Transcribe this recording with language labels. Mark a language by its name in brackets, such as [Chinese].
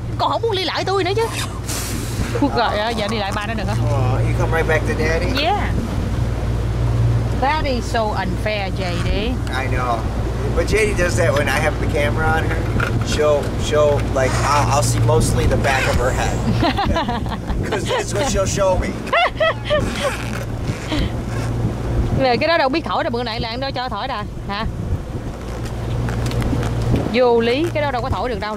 [Vietnamese] Còn không muốn đi lại tôi nữa chứ. Phúc rồi, giờ đi lại ba nó được hả? [English] Oh, you come right back to daddy? Yeah. That is so unfair, JD. I know. But JD does that when I have the camera on her. She'll like, I'll see mostly the back of her head. Because that's what she'll show me. [Vietnamese] Nè, cái đó đâu biết thổi rồi, bữa nãy là anh đâu cho thổi rồi, hả? Vô lý, cái đó đâu có thổi được đâu.